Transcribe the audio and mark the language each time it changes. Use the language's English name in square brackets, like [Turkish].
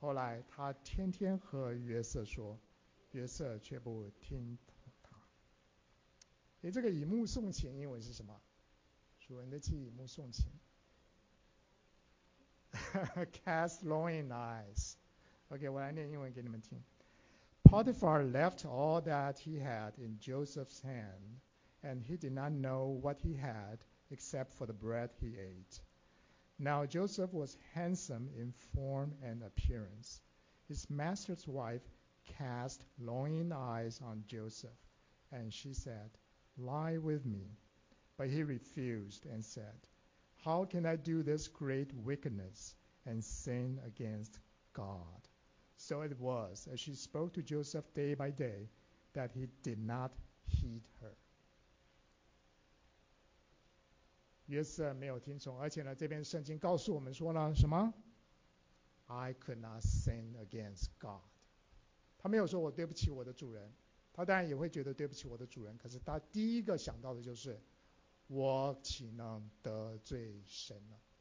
[Chinese] 后来他天天和约瑟说，约瑟却不听他。这个以目送情英文是什么？主人的妻以目送情 [English] cast longing eyes。 [Chinese] OK， 我来念英文给你们听。 [English] Potiphar left all that he had in Joseph's hand, and he did not know what he had except for the bread he ate. Now Joseph was handsome in form and appearance. His master's wife cast longing eyes on Joseph, and she said, "Lie with me." But he refused and said, "How can I do this great wickedness and sin against God?" So it was, as she spoke to Joseph day by day, that he did not heed her. [Chinese] 约瑟没有听从，而且呢，这边圣经告诉我们说了什么？ [English] I could not sin against God. [Chinese] 他没有说我对不起我的主人，他当然也会觉得对不起我的主人，可是他第一个想到的就是，我岂能得罪神呢？